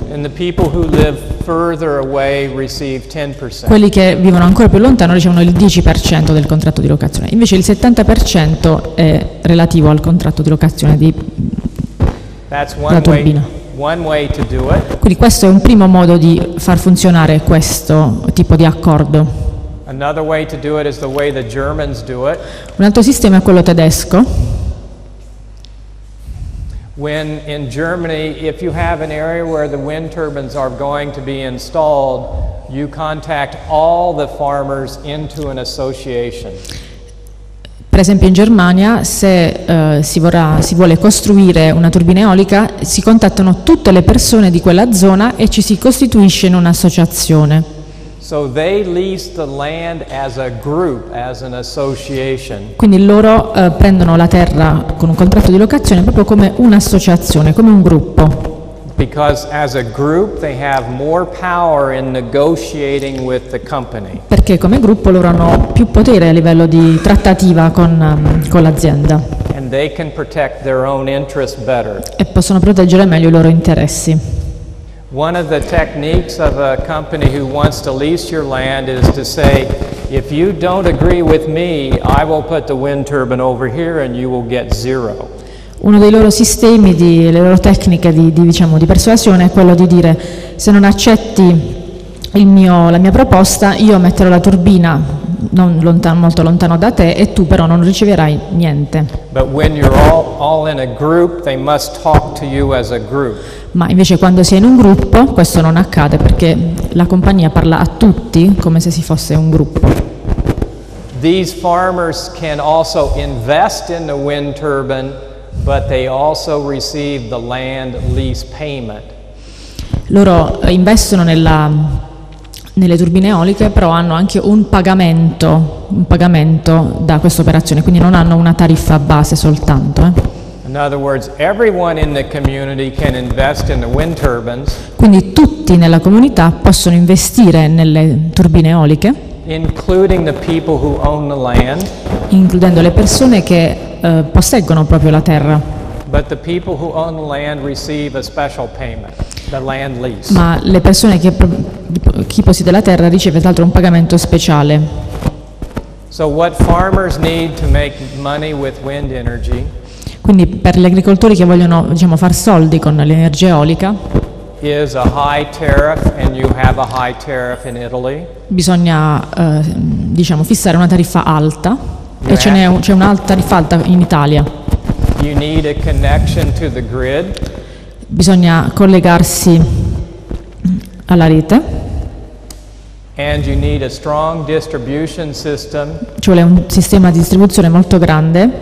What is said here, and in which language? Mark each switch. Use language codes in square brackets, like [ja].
[en] And the people who live further away receive 10%. [it] Quelli che vivono ancora più lontano ricevono il 10% del contratto di locazione. Invece il 70% è relativo al contratto di locazione della turbina. Quindi questo è un primo modo di far funzionare questo tipo di accordo. [en] Another way to do it is the way the Germans do it. [it] Un altro sistema è quello tedesco. [en] When in Germany, if you have an area where the wind turbines are going to be installed, you contact all the farmers into an association. [it] Per esempio in Germania, se si vuole costruire una turbina eolica, si contattano tutte le persone di quella zona e ci si costituisce in un'associazione. [en] So they lease the land as a group, as an association. [it] Quindi loro prendono la terra con un contratto di locazione proprio come un'associazione, come un gruppo. [en] Because as a group they have more power in negotiating with the company. [it] Perché come gruppo loro hanno più potere a livello di trattativa con l'azienda. [en] And they can protect their own interests better. [it] E possono proteggere meglio i loro interessi. [en] One of the techniques of a company who wants to lease your land is to say, if you don't agree with me, I will put the wind turbine over here and you will get zero. [it] Uno dei loro sistemi, le loro tecniche di persuasione è quello di dire, se non accetti la mia proposta, io metterò la turbina non lontano, molto lontano da te e tu però non riceverai niente. [en] But when you're all in a group, they must talk to you as a group. [it] Ma invece quando si è in un gruppo questo non accade perché la compagnia parla a tutti come se si fosse un gruppo. [en] These farmers can also invest in the wind turbine, but they also receive the land lease payment. [it] Loro investono nelle turbine eoliche, però hanno anche un pagamento da questa operazione, quindi non hanno una tariffa base soltanto. [en] In other words, everyone in the community can invest in the wind turbines. [it] Quindi tutti nella comunità possono investire nelle turbine eoliche, [en] including the people who own the land, [it] includendo le persone che posseggono proprio la terra. [en] But the people who own the land receive a special payment, the land lease. [it] Ma le persone chi possiede la terra riceve tra l'altro un pagamento speciale. [en] So what farmers need to make money with wind energy? [it] Quindi per gli agricoltori che vogliono, diciamo, far soldi con l'energia eolica, [en] is a high tariff, and you have a high tariff in Italy. [it] Bisogna diciamo fissare una tariffa alta, e c'è una tariffa alta in Italia. [en] You need a connection to the grid. [it] Bisogna collegarsi alla rete. [en] And you need a strong distribution system. [it] Ci vuole un sistema di distribuzione molto grande,